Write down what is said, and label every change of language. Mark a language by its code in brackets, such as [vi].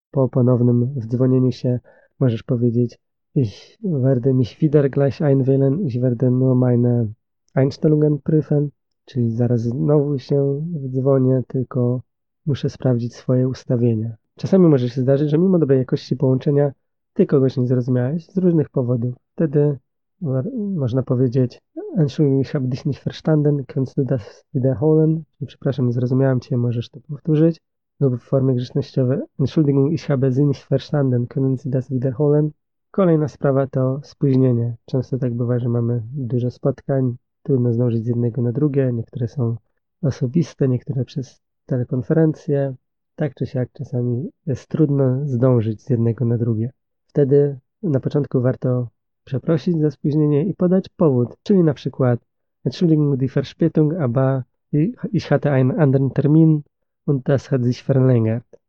[pl] Po ponownym wdzwonieniu się możesz powiedzieć [de] Ich werde mich wieder gleich einwählen, ich werde nur meine Einstellungen prüfen, [pl] czyli zaraz znowu się wdzwonię, tylko muszę sprawdzić swoje ustawienia. Czasami może się zdarzyć, że mimo dobrej jakości połączenia ty kogoś nie zrozumiałeś z różnych powodów. Wtedy można powiedzieć [de] Entschuldigung, ich habe dich nicht verstanden, kannst du das wiederholen? [pl] Przepraszam, nie zrozumiałem cię, możesz to powtórzyć. Lub w formie grzecznościowej [de] Entschuldigung, ich habe Sie nicht verstanden, können Sie das wiederholen? [pl] Kolejna sprawa to spóźnienie. Często tak bywa, że mamy dużo spotkań, trudno zdążyć z jednego na drugie, niektóre są osobiste, niektóre przez telekonferencje. Tak czy siak czasami jest trudno zdążyć z jednego na drugie. Wtedy na początku warto przeprosić za spóźnienie i podać powód, czyli na przykład [de] Entschuldigung, die Verspätung, aber ich hatte einen anderen Termin, und das hat sich verlängert.